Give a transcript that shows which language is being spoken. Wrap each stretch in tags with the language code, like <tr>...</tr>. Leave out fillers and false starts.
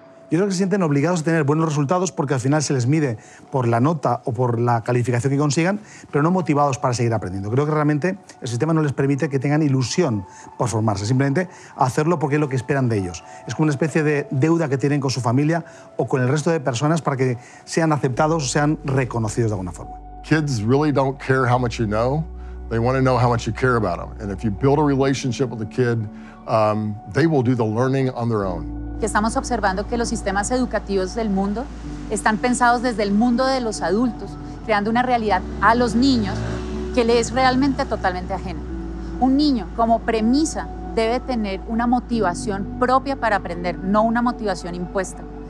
<es>Yo creo que se sienten obligados a tener buenos resultados porque al final se les mide por la nota o por la calificación que consigan, pero no motivados para seguir aprendiendo. Creo que realmente el sistema no les permite que tengan ilusión por formarse, simplemente hacerlo porque es lo que esperan de ellos. Es como una especie de deuda que tienen con su familia o con el resto de personas para que sean aceptados o sean reconocidos de alguna forma.</es> <en>Kids really don't care how much you know. They want to know how much you care about them. And if you build a relationship with a kid, they will do the learning on their own.</en> <es>Estamos observando que los sistemas educativos del mundo están pensados desde el mundo de los adultos, creando una realidad a los niños que les es realmente totalmente ajena. Un niño, como premisa, debe tener una motivación propia para aprender, no una motivación impuesta.</es>